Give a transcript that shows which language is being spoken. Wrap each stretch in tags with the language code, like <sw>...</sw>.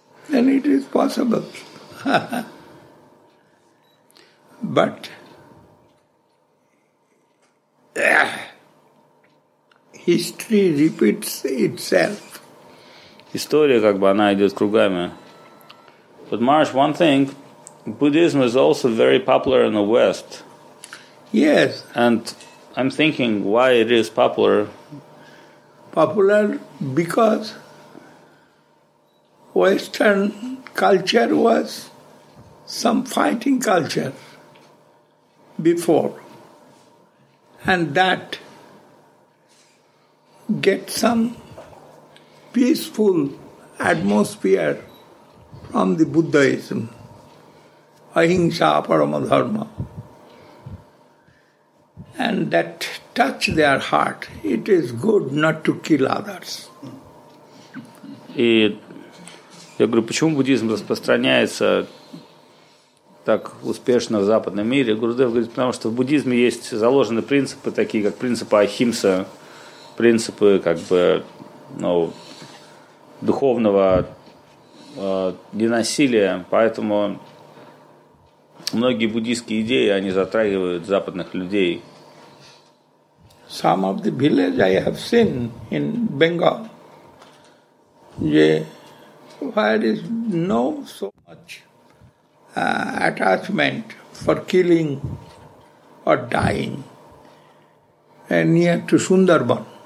<en>Then it is possible. But... History repeats itself.</en> <ru>История как бы она идет кругами.</ru> <en>But Marsh, one thing, Buddhism is also very popular in the West. Yes. And I'm thinking why it is popular. Popular because Western culture was some fighting culture before. And that get some peaceful atmosphere from the Buddhism, ahimsa parama dharma, and that touch their heart. It is good not to kill others.</en> <ru>И я говорю, почему буддизм распространяется так успешно в западном мире? Гурудев говорит, потому что в буддизме есть заложены принципы, такие как принципы ахимса, принципы как бы, ну, духовного ненасилия. Поэтому многие буддийские идеи они затрагивают западных людей.</ru> <en>Some of the villages I have seen in Bengal. There is no so much. Attachment for killing or dying near to Sundarban.</en>